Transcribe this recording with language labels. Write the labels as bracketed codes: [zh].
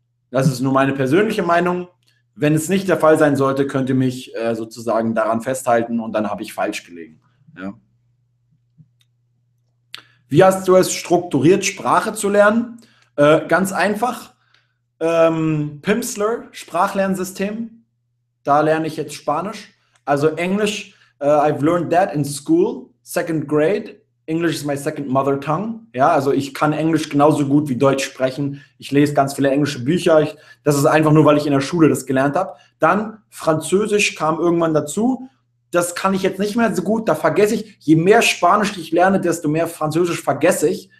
[de] Das ist nur meine persönliche Meinung. Wenn es nicht der Fall sein sollte, könnt ihr mich sozusagen daran festhalten und dann habe ich falsch gelegen. Ja. Wie hast du es strukturiert, Sprache zu lernen? Ganz einfach. Pimsleur, Sprachlernsystem. Da lerne ich jetzt Spanisch. Also Englisch, [en] I've learned that in school, second grade. English is my second mother tongue. [de] Ja, also ich kann Englisch genauso gut wie Deutsch sprechen. Ich lese ganz viele englische Bücher. Das ist einfach nur, weil ich in der Schule das gelernt habe. Dann Französisch kam irgendwann dazu. Das kann ich jetzt nicht mehr so gut. Da vergesse ich. Je mehr Spanisch ich lerne, desto mehr Französisch vergesse ich.